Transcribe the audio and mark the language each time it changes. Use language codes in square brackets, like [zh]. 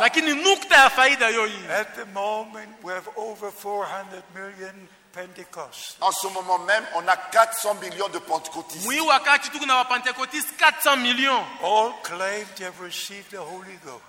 [en] At the moment, we have over 400 million Pentecost. [fr] En ce moment même, on a 400 millions de pentecôtistes. [en] All claim to have received the Holy Ghost.